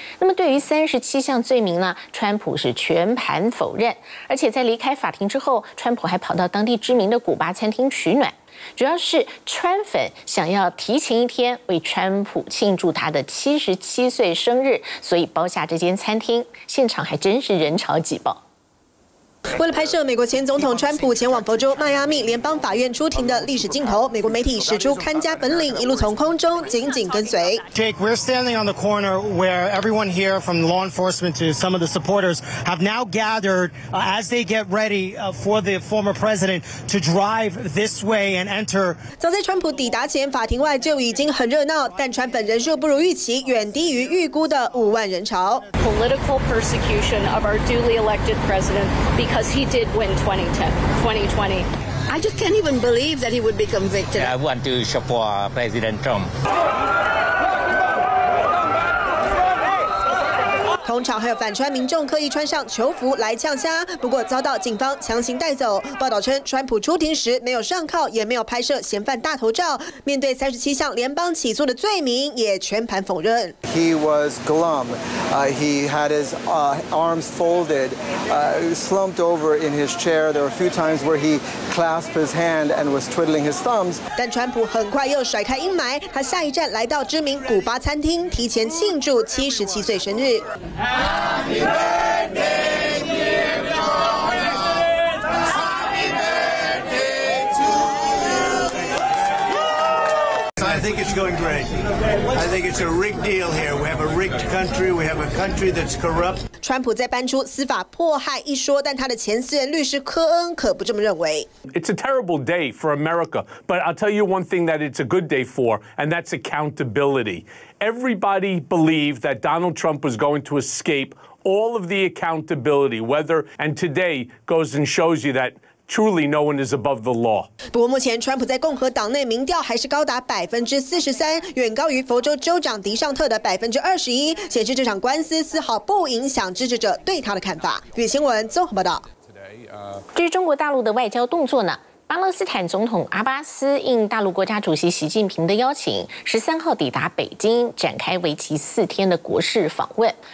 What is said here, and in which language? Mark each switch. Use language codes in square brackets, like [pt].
[zh] 那么对于37项罪名呢，川普是全盘否认，而且在离开法庭之后，川普还跑到当地知名的古巴餐厅取暖，主要是川粉想要提前一天为川普庆祝他的77岁生日，所以包下这间餐厅，现场还真是人潮挤爆。为了拍摄美国前总统川普前往佛州迈阿密联邦法院出庭的历史镜头，美国媒体使出看家本领，一路从空中紧紧跟随。 [en] Jake, we're standing on the corner where everyone here, from law enforcement to some of the supporters, have now gathered as they get ready for the former president to drive this way and enter. [zh] 早在川普抵达前，法庭外就已经很热闹，但川粉人数不如预期，远低于预估的50,000人潮。 [en] Political persecution of our duly elected president. Because he did win 2020. I just can't even believe that he would be convicted. I want to support President Trump. [zh] 通常还有反川民众刻意穿上囚服来呛虾，不过遭到警方强行带走。报道称，川普出庭时没有上铐，也没有拍摄嫌犯大头照。面对37项联邦起诉的罪名，也全盘否认。 [en] He was glum. He had his arms folded, slumped over in his chair. There were a few times where he clasped his hand and was twiddling his thumbs. [zh] 但川普很快又甩开阴霾，他下一站来到知名古巴餐厅，提前庆祝77岁生日。 [en] I think it's going great. I think it's a rigged deal here. We have a rigged country. We have a country that's corrupt. [zh] 川普在搬出司法迫害一说，但他的前私人律师科恩可不这么认为。 [en] It's a terrible day for America, but I'll tell you one thing that it's a good day for, and that's accountability. Everybody believed that Donald Trump was going to escape all of the accountability, whether, and today goes and shows you that. Truly, no one is above the law. [zh] 不过，目前川普在共和党内民调还是高达43%，远高于佛州州长迪尚特的21%，显示这场官司丝毫不影响支持者对他的看法。据新闻综合报道。据中国大陆的外交动作呢？巴勒斯坦总统阿巴斯应大陆国家主席习近平的邀请，13号抵达北京，展开为期4天的国事访问。